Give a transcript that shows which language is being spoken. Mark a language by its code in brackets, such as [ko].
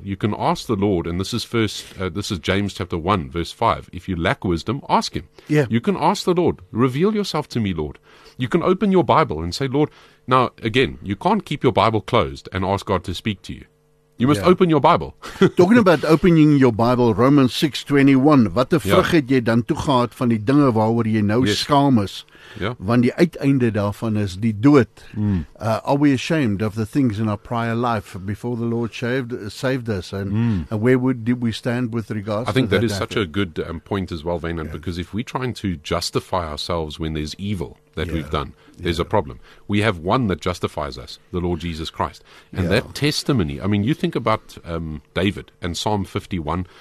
[en] You can ask the Lord, and this is James chapter 1, verse 5. If you lack wisdom, ask him. Yeah. You can ask the Lord, reveal yourself to me, Lord. You can open your Bible and say, Lord, now again, you can't keep your Bible closed and ask God to speak to you. You must open your Bible. Talking about opening your Bible, Romans 6:21. [af] Watte vrug het jy dan toegehad van die dinge waaroor jy nou skaam is? [en] Yeah. [af] Want die uiteinde daarvan is die dood. Mm. [en] Are we ashamed of the things in our prior life before the Lord saved us? And, and where did we stand with regards to that? I think that is such a good point as well, Vainant, because if we're trying to justify ourselves when there's evil that we've done, there's a problem. We have one that justifies us, the Lord Jesus Christ. And that testimony, I mean, you think about David and Psalm 51.